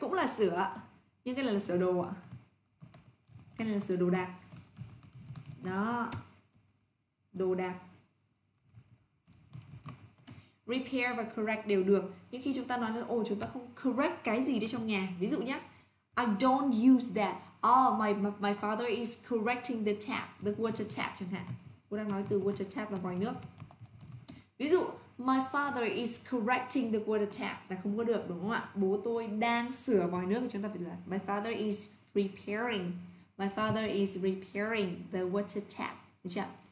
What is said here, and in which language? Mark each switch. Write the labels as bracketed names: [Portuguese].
[Vietnamese] Cũng là sửa. Nhưng cái này là sửa đồ ạ. Cái này là sửa đồ đạc. Đó. Đồ đạc. Repair và correct đều được. Nhưng khi chúng ta nói là ồ, chúng ta không correct cái gì đi trong nhà. Ví dụ nhé, [English] I don't use that. Oh, my father is correcting the tap, the water tap [Vietnamese] chẳng hạn. Cô đang nói từ water tap là vòi nước. Ví dụ [English] my father is correcting the water tap [Vietnamese] là không có được đúng không ạ? Bố tôi đang sửa vòi nước thì chúng ta phải là [English] my father is repairing. My father is repairing the water tap. [Vietnamese] Được chưa?